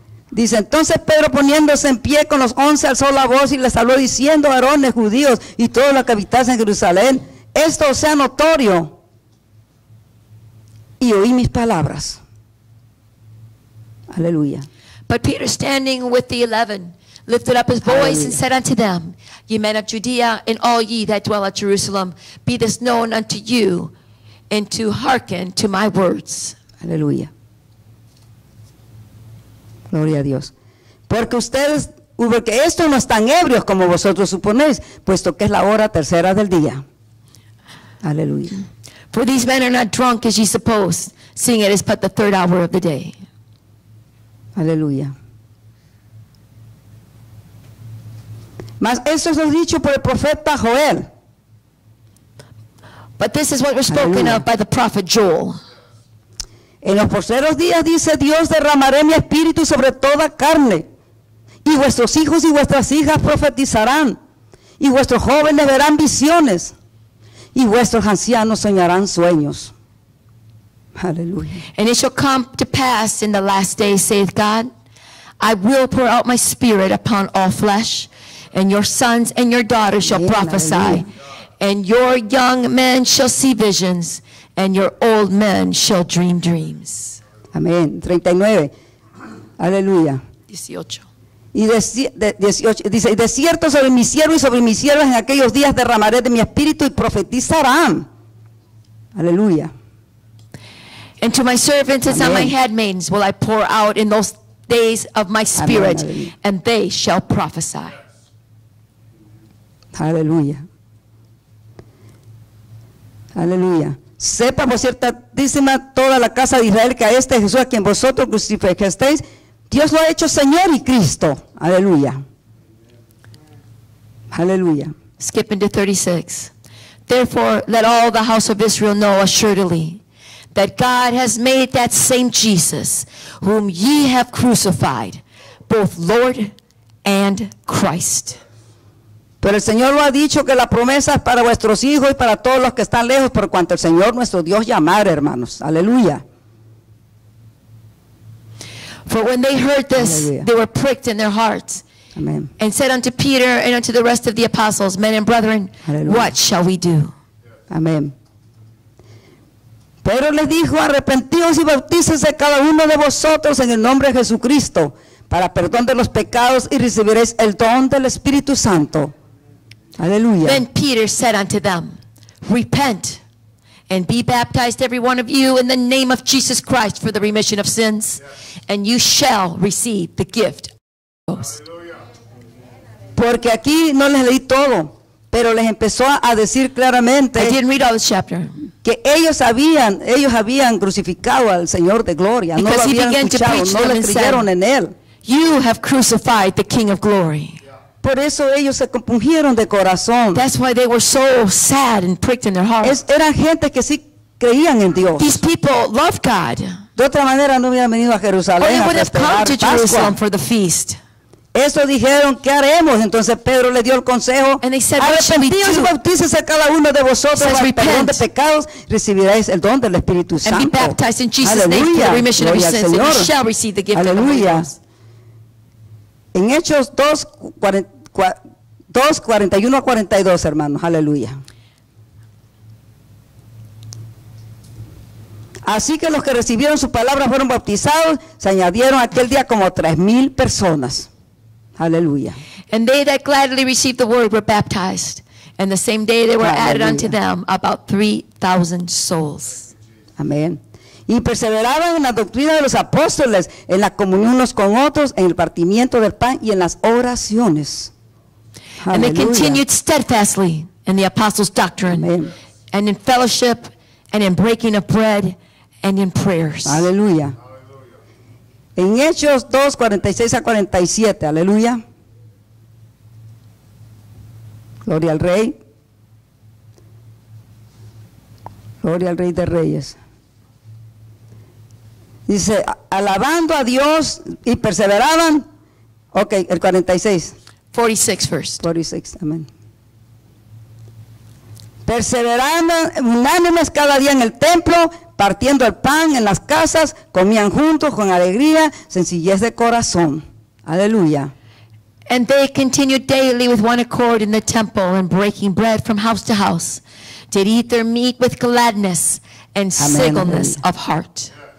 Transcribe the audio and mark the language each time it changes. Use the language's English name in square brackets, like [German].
[Spanish] Dice, entonces Pedro poniéndose en pie con los once alzó la voz y les habló diciendo, varones judíos y todos los que habitasen en Jerusalén, esto sea notorio y oí mis palabras. Aleluya. [English] But Peter standing with the 11 lifted up his voice. Aleluya. And said unto them, ye men of Judea and all ye that dwell at Jerusalem, be this known unto you and to hearken to my words. [Spanish] Aleluya. Gloria a Dios. Porque ustedes, porque estos no están ebrios como vosotros suponéis, puesto que es la hora tercera del día. Aleluya. [English] For these men are not drunk as ye suppose, seeing it is but the third hour of the day. [Spanish] Aleluya. Mas esto es lo dicho por el profeta Joel. [English] But this is what was spoken of by the prophet Joel. [Spanish] En los postreros días, dice Dios, derramaré mi espíritu sobre toda carne, y vuestros hijos y vuestras hijas profetizarán, y vuestros jóvenes verán visiones, y vuestros ancianos soñarán sueños. Aleluya. [English] And it shall come to pass in the last days, saith God, I will pour out my spirit upon all flesh, and your sons and your daughters shall prophesy. [Spanish] Aleluya. [English] And your young men shall see visions, and your old men shall dream dreams. [Spanish] Amén. 39. Aleluya. 18. Y dice, de cierto sobre mi siervo y sobre mis siervas en aquellos días derramaré de mi espíritu y profetizarán. Aleluya. [English] And to my servants and my handmaidens will I pour out in those days of my spirit. [Spanish] Amén. [English] And they shall prophesy. [Spanish] Aleluya. Aleluya. Sepa por ciertísima toda la casa de Israel que a este Jesús a quien vosotros crucificasteis, Dios lo ha hecho Señor y Cristo. Aleluya. Aleluya. [English] Skip into 36. Therefore, let all the house of Israel know assuredly that God has made that same Jesus whom ye have crucified, both Lord and Christ. [Spanish] Pero el Señor lo ha dicho que la promesa es para vuestros hijos y para todos los que están lejos, por cuanto el Señor nuestro Dios llamare, hermanos. Aleluya. [English] For when they heard this, [Spanish] aleluya, [English] they were pricked in their hearts. Amen. And said unto Peter and unto the rest of the apostles, men and brethren, [Spanish] aleluya, [English] what shall we do? Amen. [Spanish] Pero les dijo, arrepentíos y bautícese cada uno de vosotros en el nombre de Jesucristo, para perdón de los pecados y recibiréis el don del Espíritu Santo. Aleluya. [English] Then Peter said unto them, repent and be baptized every one of you in the name of Jesus Christ for the remission of sins, and you shall receive the gift of the Holy Ghost. [Spanish] Porque aquí no les leí todo, pero les empezó a decir claramente. [English] I didn't read all this chapter. [Spanish] Que ellos habían crucificado al Señor de gloria, no lo habían escuchado, no les creyeron en él. [English] You have crucified the King of Glory. [Spanish] Por eso ellos se compungieron de corazón. [English] That's why they were so sad and pricked in their hearts. [Spanish] Eran gente que sí creían en Dios. [English] These people loved God. [Spanish] De otra manera no hubieran venido a Jerusalén. [English] Or they would have come to Jerusalem for the feast. [Spanish] Eso dijeron, ¿qué haremos? Entonces Pedro le dio el consejo. Arrepentíos y bautícese cada uno de vosotros para el perdón de pecados, recibiréis el don del Espíritu Santo. [English] And be baptized in Jesus' name for the remission of your sins, and you shall receive the gift of the Holy Ghost. [Spanish] En Hechos 2:41-42, hermanos, aleluya. Así que los que recibieron su palabra fueron bautizados, se añadieron aquel día como 3,000 personas. Aleluya. [English] And they that gladly received the word were baptized, and the same day there were added unto them about 3,000 souls. [Spanish] Amén. Y perseveraban en la doctrina de los apóstoles, en la comunión unos con otros, en el partimiento del pan y en las oraciones. Aleluya. [English] And they continued steadfastly in the apostles' doctrine. [Spanish] Amén. [English] And in fellowship, and in breaking of bread, and in prayers. [Spanish] Aleluya. En Hechos 2:46-47, aleluya. Gloria al Rey. Gloria al Rey de Reyes. Dice, alabando a Dios y perseveraban. Ok, el 46. [English] 46 first. [Spanish] 46, amén. Perseveraban unánimes cada día en el templo, partiendo el pan en las casas, comían juntos con alegría, sencillez de corazón. Aleluya. [English] And they continued daily with one accord in the temple, and breaking bread from house to house, did eat their meat with gladness and singleness of heart.